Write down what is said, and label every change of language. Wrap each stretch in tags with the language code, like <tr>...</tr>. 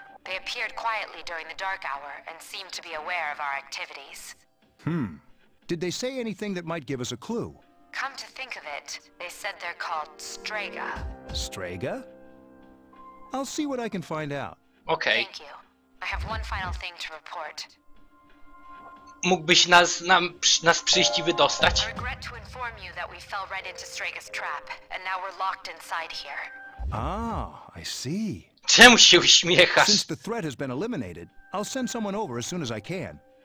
<en>They appeared quietly during the dark hour and seemed to be aware of our activities. Hmm. Did they say anything that might give us a clue? Come to think of it, they said they're called Strega. Strega? I'll see what I can find out. Okay. Thank you. I have one final thing to report.</en> <pl>Mógłbyś nas przyjść i wydostać?</pl> <en>I regret to inform you that we fell right into Strega's trap and now we're locked inside here. Ah, I see.</en> <pl>Czemu się uśmiechasz?</pl> <en>Since the threat has been eliminated, I'll send someone over as soon as I can.</en>